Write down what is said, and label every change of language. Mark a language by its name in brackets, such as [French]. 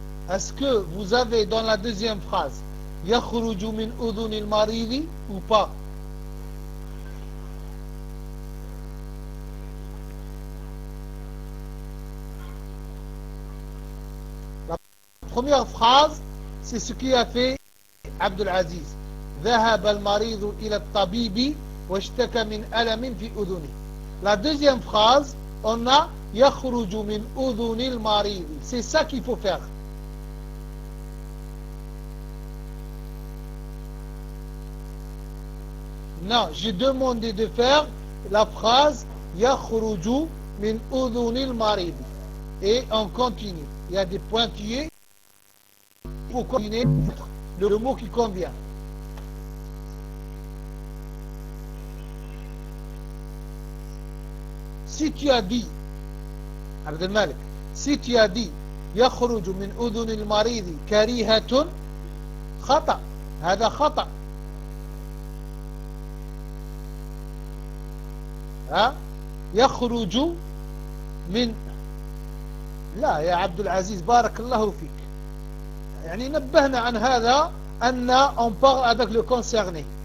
[French] Est-ce que vous avez dans la deuxième phrase [Arabic] Yakhruju min udunil maridi [French] ou pas? Première phrase, c'est ce qui a fait Abdul Aziz. [Arabic] ذهب المريض إلى الطبيب واشتكى من ألم في أذنه. [French] La deuxième phrase, on a [Arabic] يخرج من أذن المريض. [French] C'est ça qu'il faut faire. Non, j'ai demandé de faire la phrase [Arabic] يخرج من أذن المريض. [French] Et on continue. Il y a des pointillés pour combiner le mot qui convient. Si tu as dit, Abdel Malik, si tu as dit, [Arabic] يخرج من أذن المريض كريهة, خطأ, هذا خطأ. يخرج من, لا يا عبد العزيز بارك الله فيك. يعني نبهنا عن هذا أن [French] on parle avec le concerné.